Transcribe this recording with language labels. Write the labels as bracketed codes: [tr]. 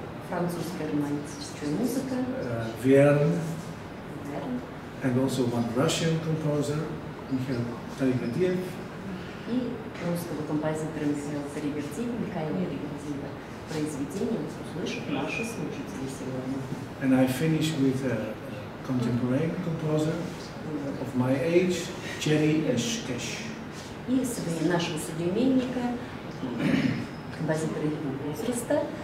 [ru] Французская романтическая музыка. [en] Виерн. And also one Russian composer, Михаил Таригадиев. [ru] И русского композитора Михаила Таригадиева, произведение услышат наши слушатели сегодня. [en] And I finish with a contemporary composer of my age, Jerry Эшкеш. [ru] И нашего современника, композитора его возраста.